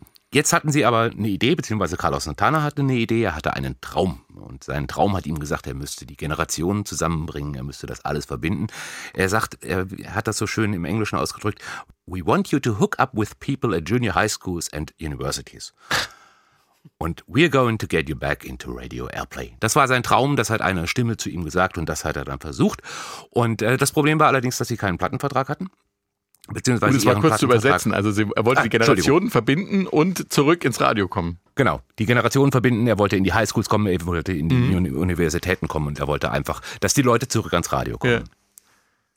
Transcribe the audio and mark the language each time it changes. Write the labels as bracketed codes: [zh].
[de] Jetzt hatten sie aber eine Idee, beziehungsweise Carlos Santana hatte eine Idee, er hatte einen Traum. Und sein Traum hat ihm gesagt, er müsste die Generationen zusammenbringen, er müsste das alles verbinden. Er sagt, er hat das so schön im Englischen ausgedrückt, [en] "We want you to hook up with people at junior high schools and universities. And we're going to get you back into radio airplay." [de] Das war sein Traum, das hat eine Stimme zu ihm gesagt und das hat er dann versucht. Und das Problem war allerdings, dass sie keinen Plattenvertrag hatten. Beziehungsweise um es mal kurz zu übersetzen, also er wollte die Generationen verbinden und zurück ins Radio kommen. Genau, die Generationen verbinden, er wollte in die Highschools kommen, er wollte in die Universitäten kommen und er wollte einfach, dass die Leute zurück ans Radio kommen. Ja.